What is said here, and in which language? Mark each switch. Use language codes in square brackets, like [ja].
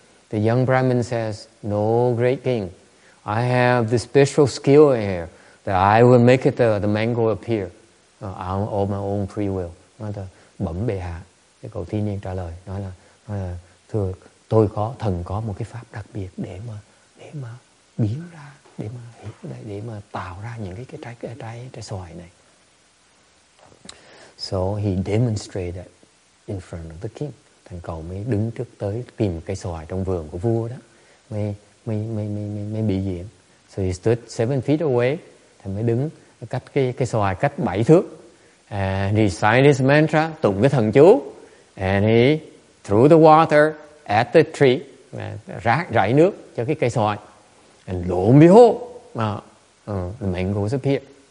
[en] The young Brahmin says, no, great king, I have this special skill here that I will make it the mango appear on my own free will. [vi] Nói là bẩm bệ hạ, cái cậu thiên niên trả lời, nói là thưa, tôi có thần có một cái pháp đặc biệt để mà biến ra, để mà tạo ra những cái trái xoài này. [en] So he demonstrated in front of the king. [vi] Thằng cậu mới đứng trước tới tìm cái xoài trong vườn của vua đó, mới bị diện. [en] So he stood 7 feet away, [vi] thằng mới đứng cách cái xoài cách 7 thước, [en] and he signed his mantra, [vi] tụng cái thần chú, [en] and he threw the water at the tree, [vi] rải nước cho cái cây xoài, [en] and lo and behold, the mango appeared.